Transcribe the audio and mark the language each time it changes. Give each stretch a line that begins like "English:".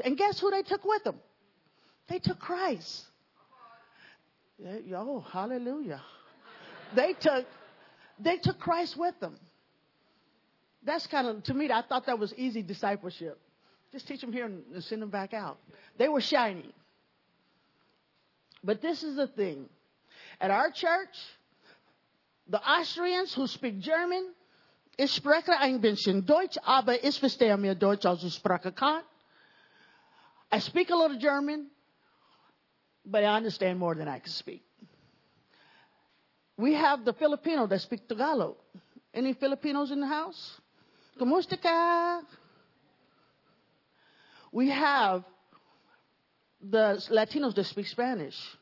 English: And guess who they took with them? They took Christ. Oh, hallelujah. They took Christ with them. That's kind of, to me, I thought that was easy discipleship. Just teach them here and send them back out. They were shining. But this is the thing. At our church, the Austrians who speak German,
German: ich spreche ein bisschen Deutsch, aber ich verstehe mehr Deutsch als ich spreche kann.
English: I speak a little German, but I understand more than I can speak. We have the Filipino that speak Tagalog. Any Filipinos in the house?
Filipino: Kumustika.
English: We have the Latinos that speak Spanish.